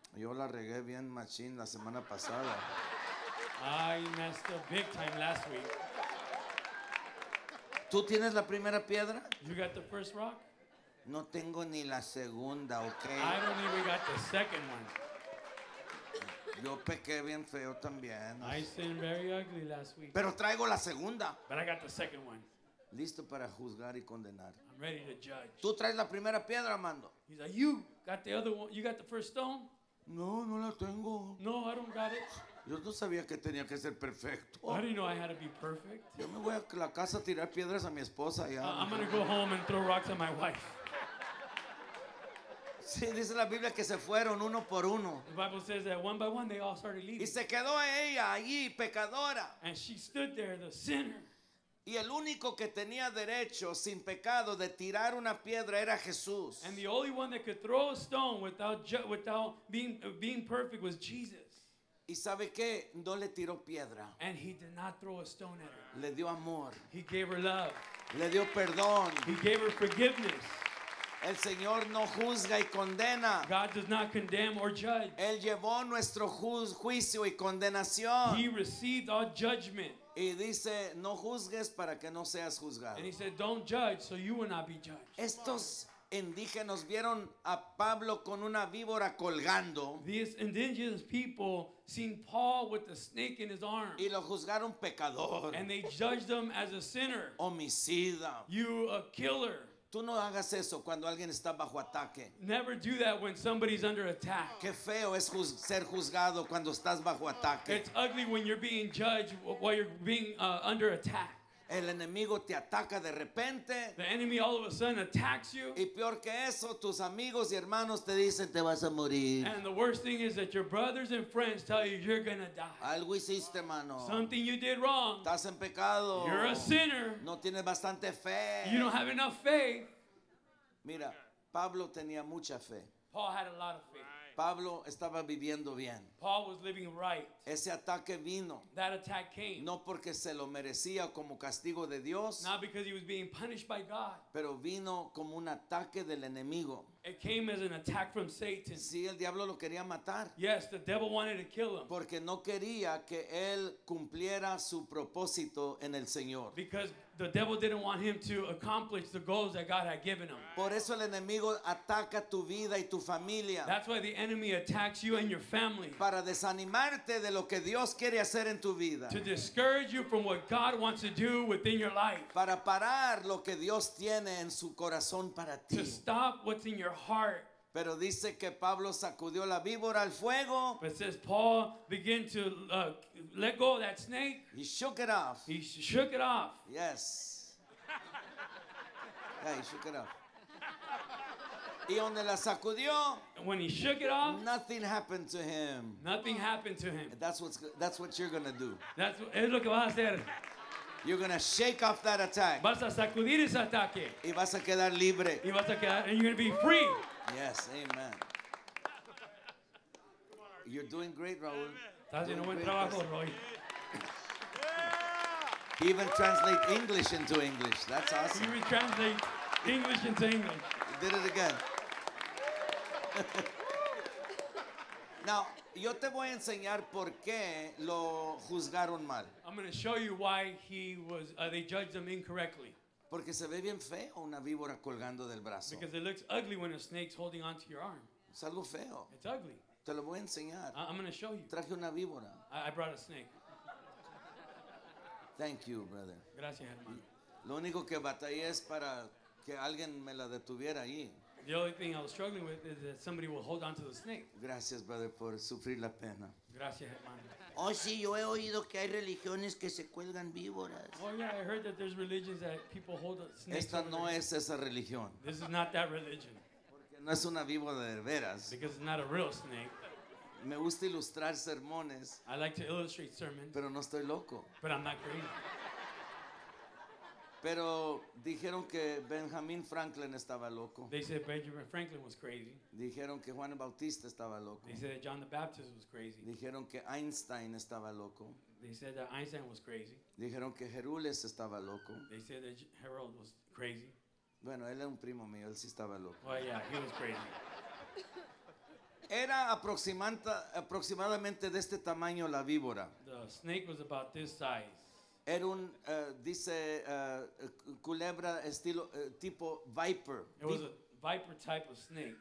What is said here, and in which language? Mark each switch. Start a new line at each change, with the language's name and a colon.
Spanish: Yo la regué bien machín la semana pasada.
English: I messed up big time last week.
Spanish: ¿Tú tienes la primera piedra?
English: You got the first rock?
Spanish: No tengo ni la segunda, okay.
English: I don't even got the second one.
Spanish: Yo pequé bien feo también.
English: I sinned very ugly last week.
Spanish: Pero traigo la segunda.
English: But I got the second one.
Spanish: Listo para juzgar y condenar.
English: I'm ready to judge.
Spanish: Tú traes la primera piedra, Armando.
English: He's like, you got the other one. You got the first stone?
Spanish: No, no la tengo.
English: No, I don't got it.
Spanish: Yo no sabía que tenía que ser perfecto.
English: I didn't know I had to be perfect.
Spanish: Yo me voy a la casa a tirar piedras a mi esposa ya.
English: I'm going to go home and throw rocks at my wife.
Spanish: Sí, dice la Biblia que se fueron uno por uno.
English: The Bible says that one by one they all started leaving.
Spanish: Y se quedó ella allí, pecadora.
English: And she stood there, the sinner.
Spanish: Y el único que tenía derecho sin pecado de tirar una piedra era Jesús.
English: And the only one that could throw a stone without being perfect was Jesus.
Spanish: ¿Y sabe qué? No le tiró piedra.
English: And he did not throw a stone at her.
Spanish: Le dio amor.
English: He gave her love.
Spanish: Le dio perdón.
English: He gave her forgiveness.
Spanish: El Señor no juzga y condena.
English: God does not condemn or judge.
Spanish: Él llevó nuestro juicio y condenación.
English: He received our judgment.
Spanish: Y dice, no juzgues para que no seas juzgado.
English: And he said, don't judge so you will not be judged.
Spanish: Estos indígenas vieron a Pablo con una víbora colgando.
English: These indigenous people seen Paul with a snake in his arm.
Spanish: Y lo juzgaron pecador.
English: And they judged him as a sinner.
Spanish: Homicida.
English: You a killer.
Spanish: Tú no hagas eso cuando alguien está bajo ataque.
English: Never do that when somebody's under attack.
Spanish: Qué feo es ser juzgado cuando estás bajo ataque.
English: It's ugly when you're being judged while you're being under attack.
Spanish: El enemigo te ataca de repente.
English: The enemy all of a sudden attacks you.
Spanish: Y peor que eso, tus amigos y hermanos te dicen te vas a morir.
English: And the worst thing is that your brothers and friends tell you you're gonna die.
Spanish: Algo hiciste, mano.
English: Something you did wrong.
Spanish: Estás en pecado.
English: You're a sinner.
Spanish: No tienes bastante fe.
English: You don't have enough faith.
Spanish: Mira, Pablo tenía mucha fe.
English: Paul had a lot of faith.
Spanish: Pablo estaba viviendo bien.
English: Paul was living right.
Spanish: Ese ataque vino.
English: That attack came.
Spanish: No porque se lo merecía como castigo de Dios.
English: Not because he was being punished by God.
Spanish: Pero vino como un ataque del enemigo.
English: It came as an attack from Satan.
Spanish: Sí, el diablo lo quería matar.
English: Yes, the devil wanted to kill him.
Spanish: Porque no quería que él cumpliera su propósito en el Señor.
English: Because the devil didn't want him to accomplish the goals that God had given him.
Spanish: Por eso el enemigo ataca tu vida y tu familia.
English: That's why the enemy attacks you and your family.
Spanish: Para desanimarte de lo que Dios quiere hacer en tu vida.
English: To discourage you from what God wants to do within your life.
Spanish: Para parar lo que Dios tiene en su corazón para ti.
English: To stop what's in your heart.
Spanish: Pero dice que Pablo sacudió la víbora al fuego.
English: But it says Paul began to let go of that snake. He shook it off. He shook it off. Yes. Yeah, he shook it off.
Spanish: Y donde la sacudió,
English: when he shook it off, nothing happened to him. Nothing happened to him. That's what you're going to do. That's
Spanish: es lo que vas a hacer.
English: You're going to shake off that attack.
Spanish: Vas a sacudir ese ataque. Y vas a quedar libre. Y vas a quedar,
English: and you're going to be free. Yes, amen. You're doing great, Raul.
Spanish: Estás haciendo buen trabajo, Roy.
English: He even translate English into English. That's awesome. He even translate English into English. He did it again.
Spanish: Now, yo te voy a enseñar por qué lo juzgaron mal.
English: I'm going to show you why he was. They judged him incorrectly.
Spanish: Porque se ve bien feo una víbora colgando del brazo.
English: Because it looks ugly when a snake's holding onto your arm.
Spanish: Es algo feo.
English: It's ugly.
Spanish: Te lo voy a enseñar.
English: I'm going to show you.
Spanish: Traje una víbora.
English: I brought a snake. Thank you, brother.
Spanish: Gracias, hermano. Lo único que batallé es para que alguien me la detuviera ahí.
English: The only thing I was struggling with is that somebody will hold onto the snake.
Spanish: Gracias,
English: brother,
Spanish: por sufrir la pena. Gracias, hermano. Oh, sí, yo he oído que hay religiones que se cuelgan víboras.
English: Oh, yeah, I heard that there's religions that people hold a snake.
Spanish: Esta no es esa religión.
English: This is not that religion.
Spanish: Porque no es una víbora de veras.
English: Because it's not a real snake.
Spanish: Me gusta ilustrar sermones.
English: I like to illustrate sermons.
Spanish: Pero no estoy loco.
English: But I'm not crazy.
Spanish: Pero dijeron que Benjamin Franklin estaba loco.
English: They said Benjamin Franklin was crazy.
Spanish: Dijeron que Juan Bautista estaba loco.
English: They said that John the Baptist was crazy.
Spanish: Dijeron que Einstein estaba loco.
English: They said that Einstein was crazy.
Spanish: Dijeron que Herules estaba loco.
English: They said that Harold was crazy.
Spanish: Bueno, él era un primo mío, él sí estaba loco.
English: Well, yeah, he was crazy.
Spanish: Era aproximadamente de este tamaño la víbora.
English: The snake was about this size.
Spanish: Era un, dice, culebra estilo, tipo viper.
English: It was a viper type of snake.